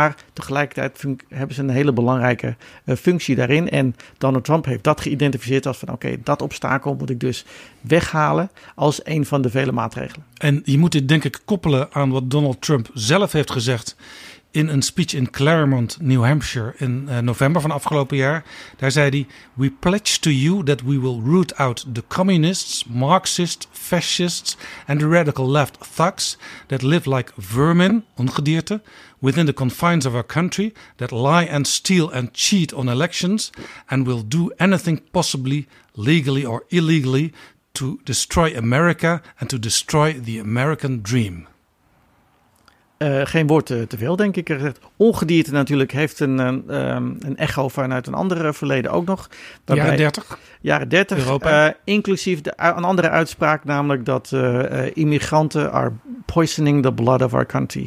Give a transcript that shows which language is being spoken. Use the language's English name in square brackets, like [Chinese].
[Dutch] Maar tegelijkertijd hebben ze een hele belangrijke functie daarin. En Donald Trump heeft dat geïdentificeerd als van oké, dat obstakel moet ik dus weghalen als een van de vele maatregelen. En je moet dit denk ik koppelen aan wat Donald Trump zelf heeft gezegd in een speech in Claremont, New Hampshire, in november van afgelopen jaar. Daar zei hij: [English] "We pledge to you that we will root out the communists, Marxists, fascists and the radical left thugs that live like vermin, [Dutch] ongedierte, [English] within the confines of our country, that lie and steal and cheat on elections, and will do anything possibly, legally or illegally, to destroy America and to destroy the American dream." [Dutch] Geen woord te veel, denk ik. Ongedierte natuurlijk heeft een echo vanuit een andere verleden ook nog. Daarbij, jaren 30. Jaren 30. Europa. Inclusief een andere uitspraak, namelijk dat immigranten [English] are poisoning the blood of our country.